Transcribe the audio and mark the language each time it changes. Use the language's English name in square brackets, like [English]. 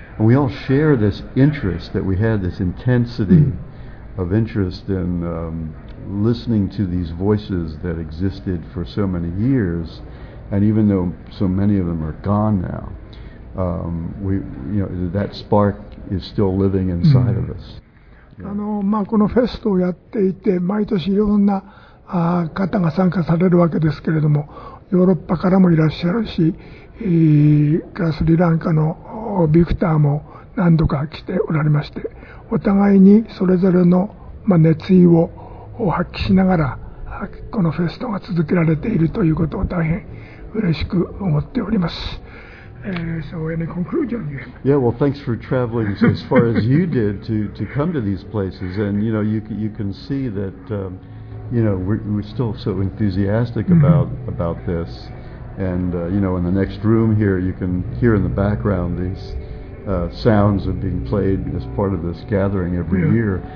[English] And we all share this interest that we had, this intensity of interest in listening to these voices that existed for so many years. And even though so many of them are gone now, we, you know, that spark is still living inside of us. [Japanese] あの、まあ、このフェストをやっていて、毎年いろんな方が参加されるわけですけれども、ヨーロッパからもいらっしゃるし、スリランカのビクターも何度か来ておられまして、お互いにそれぞれの、まあ、熱意を発揮しながら、このフェストが続けられているということを大変嬉しく思っております。 [English] So any conclusion? Yeah, well, thanks for traveling as far as you did to come to these places. And, you know, you can see that... You know, we're still so enthusiastic about this, and you know, in the next room here, you can hear in the background these sounds are being played as part of this gathering every year.